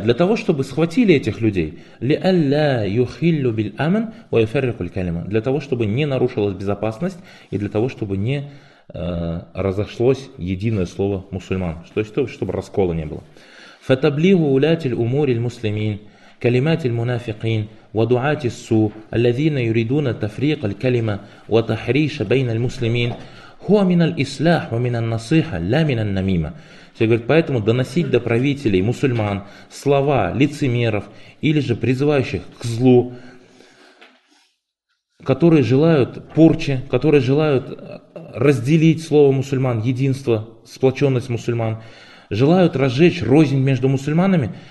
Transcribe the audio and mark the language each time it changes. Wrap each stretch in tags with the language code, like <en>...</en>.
<ru>Для того, чтобы схватили этих людей.</ru> <ar>Ли алля юхиллю биль амен ва яферрику аль-калима.</ar> <ru>Для того, чтобы не нарушилась безопасность и для того, чтобы не разошлось единое слово мусульман. То есть, чтобы раскола не было.</ru> <ar>Фатаблигу улятиль умуриль муслимин. كلمات المنافقين ودعاة السوء الذين يريدون تفريق الكلمة وتحريش بين المسلمين هو من الإصلاح ومن النصيحة لا من النميمة.</ar> <ru>Все говорят, поэтому доносить до правителей мусульман слова лицемеров или же призывающих к злу, которые желают порчи, которые желают разделить слово мусульман, единство, сплоченность мусульман, желают разжечь рознь между мусульманами.</ru>